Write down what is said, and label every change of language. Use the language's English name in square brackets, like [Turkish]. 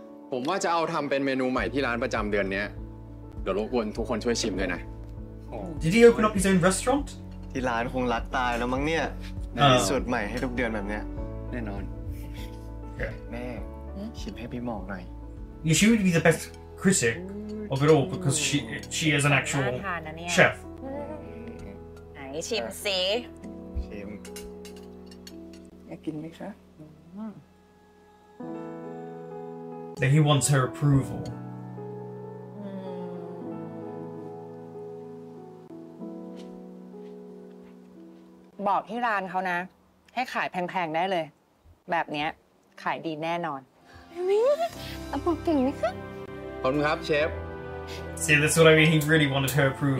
[Thai] ผมว่าจะเอาทำเป็นเมนูใหม่ที่ร้านประจำเดือนนี้เดี๋ยวรบกวนทุกคนช่วยชิมด้วยนะ [English] Did he open up his own restaurant? [Thai] ที่ร้านคงรักตายแล้วมั้งเนี่ยได้สูตรใหม่ให้ทุกเดือนแบบเนี้ย แน่นอน แม่ชิมให้พี่หมอกหน่อย [English] You should be the best critic of it all because she is an actual chef [Thai] ไหนชิมสิ ชิม อยากกินไหมคะ [English] That he wants her approval [Thai] บอกที่ร้านเขานะให้ขายแพงๆได้เลยแบบเนี้ยขายดีแน่นอนมิ้นอ่ะบอกเก่งไหมคะ ขอบคุณครับเชฟ [English] See that's what I mean he really wanted her approval